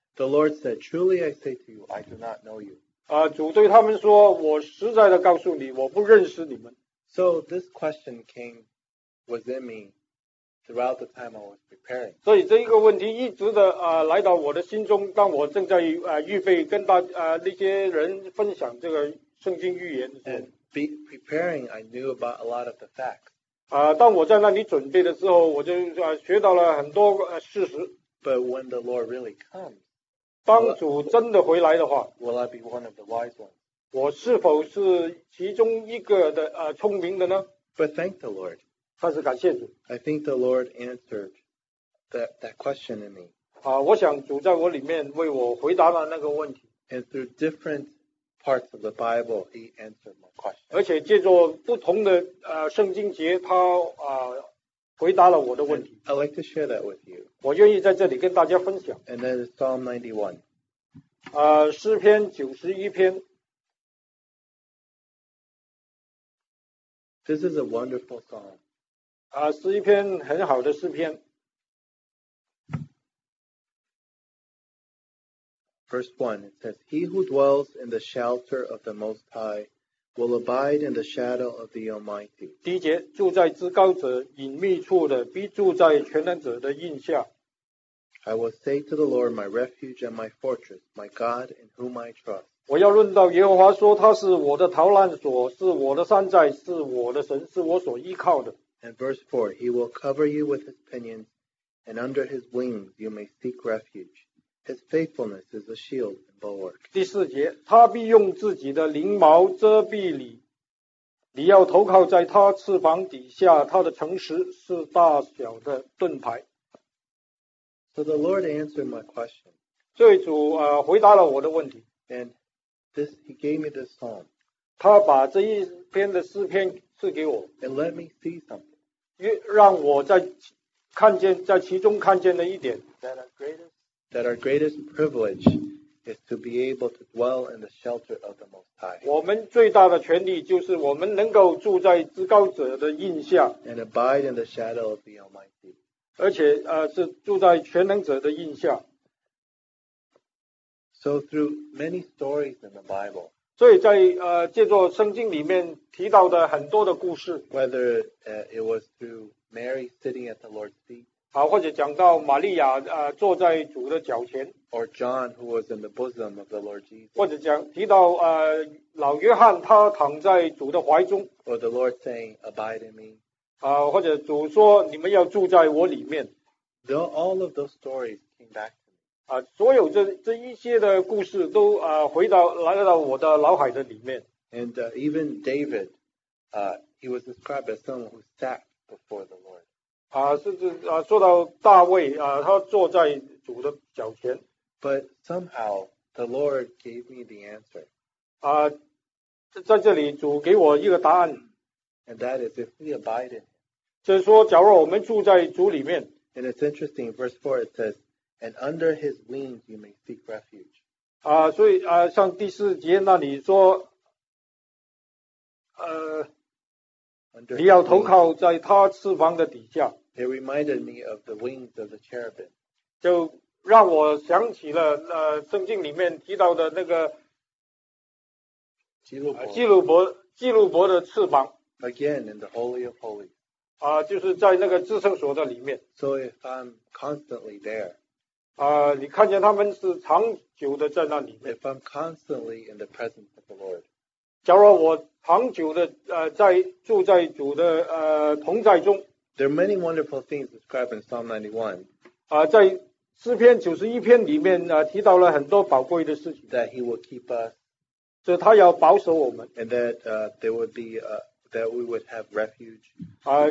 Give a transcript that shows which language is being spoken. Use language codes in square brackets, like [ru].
[en] the Lord said, truly I say to you, I do not know you. [zh] 主对他们说，我实在的告诉你，我不认识你们。 [en] So this question was in me throughout the time I was preparing. [zh] 所以这一个问题一直的来到我的心中，当我正在预备跟那些人分享这个圣经预言的时候。 [en] And preparing, I knew about a lot of the facts. [zh] 当我在那里准备的时候，我就学到了很多事实。 [en] But when the Lord really comes, [zh] 当主真的回来的话 [en] will I be one of the wise ones? [zh] 我是否是其中一个的聪明的呢 [en] But thank the Lord. [zh] 但是感谢主 [en] I think the Lord answered that question in me. [zh] 我想主在我里面为我回答了那个问题。 [en] And through different parts of the Bible, he answered my question. [zh] 而且借助不同的圣经节他回答了我的问题。 [en] And I'd like to share that with you. [zh] 我愿意在这里跟大家分享。 [en] And then Psalm 91. [zh] 诗篇91篇。 [en] This is a wonderful psalm. [zh] 是一篇很好的诗篇。 [en] Verse 1, it says, He who dwells in the shelter of the Most High will abide in the shadow of the Almighty. [zh] 第一节，住在至高者隐秘处的，必住在全能者的荫下。 [en] I will say to the Lord, my refuge and my fortress, my God in whom I trust. [zh] 我要论到耶和华说，他是我的逃难所，是我的山寨，是我的神，是我所依靠的。 [en] And verse 4, He will cover you with His pinions, and under His wings you may seek refuge. His faithfulness is a shield and bulwark. [zh] 第四节，他必用自己的翎毛遮蔽你，你要投靠在他翅膀底下，他的诚实是大小的盾牌。 [en] So the Lord answered my question. [zh] 罪主回答了我的问题。 [en] And this, he gave me this psalm. [zh] 他把这一篇的诗篇赐给我。 [en] And let me see something. [zh] 让我在其中看见了一点。 [en] That our greatest privilege is to be able to dwell in the shelter of the Most High. [zh] 我们最大的权利就是我们能够住在至高者的荫下。 [en] And abide in the shadow of the Almighty. [zh] 而且是住在全能者的荫下。 [en] So through many stories in the Bible. [zh] 所以在借助圣经里面提到的很多的故事。 [en] Whether it was through Mary sitting at the Lord's feet. [zh] 或者讲到玛利亚坐在主的脚前 [en] or John who was in the bosom of the Lord Jesus [zh] 或者讲提到老约翰他躺在主的怀中 [en] or the Lord saying abide in me [zh] 或者主说你们要住在我里面 [en] all of those stories came back to me [zh] 所有这一些的故事都回到来到我的脑海的里面 [en] and even David he was described as someone who sat before the Lord [zh] 说到大卫他坐在主的脚前 [en] But somehow the Lord gave me the answer [zh] 在这里主给我一个答案 [en] And that is if we abide in [zh] 就是说假如我们住在主里面 [en] And it's interesting verse 4 it says And under his wings you may seek refuge [zh] 所以像第四节那里说你要投靠在他翅膀的底下。 [en] It reminded me of the wings of the cherubim. [zh] 就让我想起了圣经里面提到的那个基路伯的翅膀。 [en] Again, in the Holy of Holies. [zh] 就是在那个至圣所的里面。 [en] So if I'm constantly there. [zh] 你看见他们是长久的在那里面。 [en] If I'm constantly in the presence of the Lord. [zh] 假如我长久的在住在主的同在中 [en] There are many wonderful things described in Psalm 91 [zh] 在诗篇91篇里面提到了很多宝贵的事情 [en] That he will keep us [zh] 就他要保守我们 [en] And that there would be that we would have refuge